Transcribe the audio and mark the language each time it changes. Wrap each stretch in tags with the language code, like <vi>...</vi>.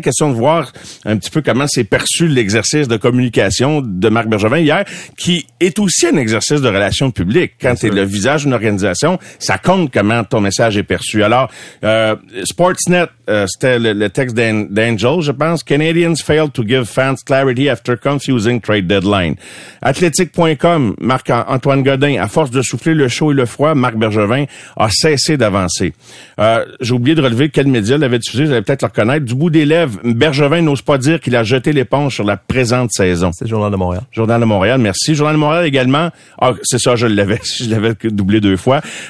<fr>Question de voir un petit peu comment s'est perçu l'exercice de communication de Marc Bergevin hier, qui est aussi un exercice de relations publiques. Quand t'es le visage d'une organisation, ça compte comment ton message est perçu. Alors, Sportsnet, c'était le texte d'Angel, je pense.</fr> <en>Canadians failed to give fans clarity after confusing trade deadline.</en> <fr>Athletic.com, Marc-Antoine Godin, à force de souffler le chaud et le froid, Marc Bergevin a cessé d'avancer. J'ai oublié de relever quel média l'avait diffusé, vous allez peut-être le reconnaître. Du bout des lèvres, Bergevin n'ose pas dire qu'il a jeté l'éponge sur la présente saison. C'est le Journal de Montréal. Journal de Montréal, merci. Journal de Montréal également. Ah, c'est ça, je l'avais doublé deux fois.</fr>